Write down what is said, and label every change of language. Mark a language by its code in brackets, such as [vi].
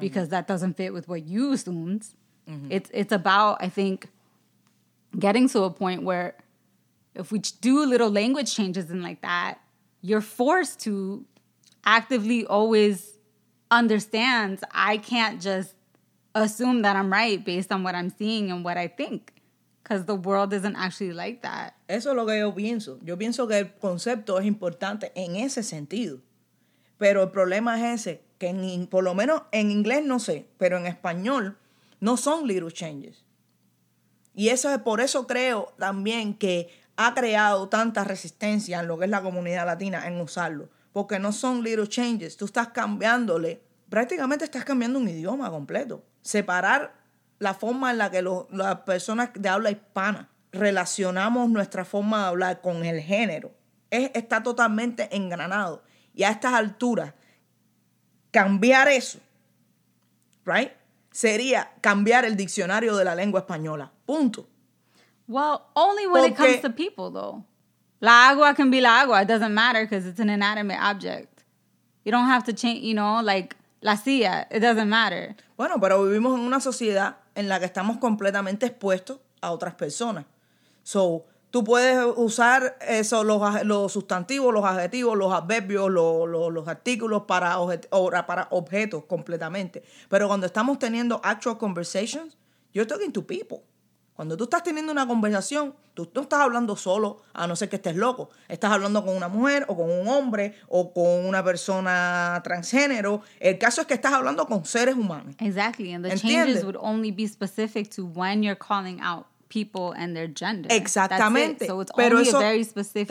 [en] Because that doesn't fit with what you assumed. Mm-hmm. It's about, I think, getting to a point where if we do little language changes and like that, you're forced to actively always understand, I can't just assume that I'm right based on what I'm seeing and what I think, because the world isn't actually like that. [es] Eso es lo que yo pienso. Yo pienso que el concepto es importante en ese sentido. Pero el problema es ese, que por lo menos en inglés no sé, pero en español no son [en] little changes. [es] Y eso es por eso creo también que ha creado tanta resistencia en lo que es la comunidad latina en usarlo. Porque no son [en] little changes. [es] Tú estás cambiándole, prácticamente estás cambiando un idioma completo. Separar la forma en la que las personas de habla hispana relacionamos nuestra forma de hablar con el género está totalmente engranado. Y a estas alturas, cambiar eso, right? Sería cambiar el diccionario de la lengua española. Punto. [en] Well, only when it comes to people, though. La agua can be la agua. It doesn't matter because it's an inanimate object. You don't have to change, you know, like la silla. It doesn't matter. [es] Bueno, pero vivimos en una sociedad en la que estamos completamente expuestos a otras personas. So, tú puedes usar eso, los sustantivos, los adjetivos, los adverbios, los artículos para objetos completamente. Pero cuando estamos teniendo [en] actual conversations, you're talking to people. [es] Cuando tú estás teniendo una conversación, tú no estás hablando solo, a no ser que estés loco. Estás hablando con una mujer o con un hombre o con una persona transgénero. El caso es que estás hablando con seres humanos. [en] Exactly. And the changes would only be specific to when you're calling out people and their gender. [es] Exactamente. [en] That's it. So it's pero only eso, a very specific